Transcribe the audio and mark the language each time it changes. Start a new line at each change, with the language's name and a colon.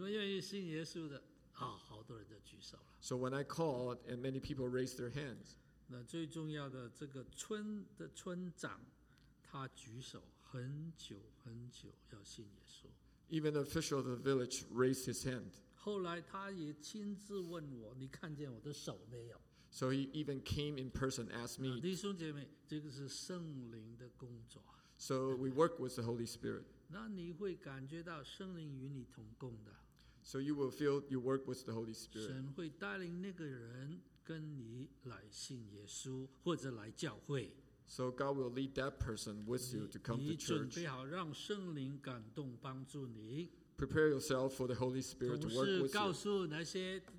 Chinese: 那我就问了第一次，在中国我来讲到，我说你们愿意信耶稣的，好多人就举手了。
English: So when I called and many people raised their hands.
Chinese: 那最重要的这个村的村长，他举手很久很久要信耶稣。
English: Even the official of the village raised his hand.
Chinese: 后来他也亲自问我，你看见我的手没有？
English: So he even came in person and asked me.
Chinese: 弟兄姐妹，这个是圣灵的工作。
English: So we work with the Holy Spirit.
Chinese: 那你会感觉到圣灵与你同工的。
English: So you will feel you work with the Holy Spirit.
Chinese: 神会带领那个人跟你来信耶稣，或者来教会。
English: So God will lead that person with you to come to church.
Chinese: 你准备好让圣灵感动帮助你。
English: Prepare yourself for the Holy Spirit to work with you.